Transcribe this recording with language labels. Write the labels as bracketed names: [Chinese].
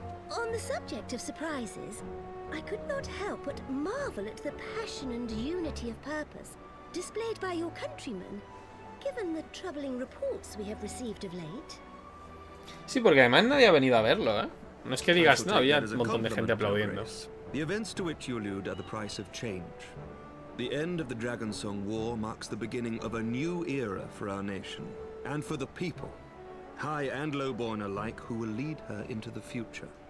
[English] On the subject of surprises, I could not help but marvel at the passion and unity of purpose displayed by your countrymen, given the troubling reports we have received of late. [Spanish] Sí, porque además nadie ha venido a verlo, ¿eh? No es que digas, no, había un montón de gente aplaudiendo. [English] The events to which you allude are the price of change. The end of the Dragonsong War marks the beginning of a new era for our nation and for the people, high and lowborn alike, who will lead her into the future.